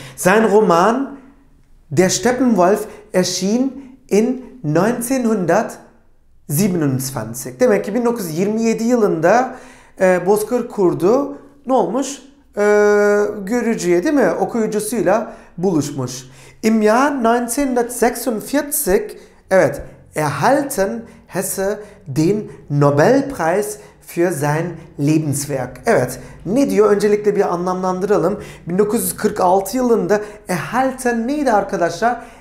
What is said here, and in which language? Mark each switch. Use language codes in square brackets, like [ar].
[de] Sein Roman Der Steppenwolf erschien in 1927. [tr] Demek ki 1927 yılında Bozkır Kurdu ne olmuş? Görücüye, değil mi? Okuyucusuyla buluşmuş. [de] Im Jahr 1946, evet, erhalten Hesse den Nobelpreis für sein Lebenswerk. [tr] Evet, ne diyor? Öncelikle bir anlamlandıralım. 1946 yılında erhalten neydi arkadaşlar?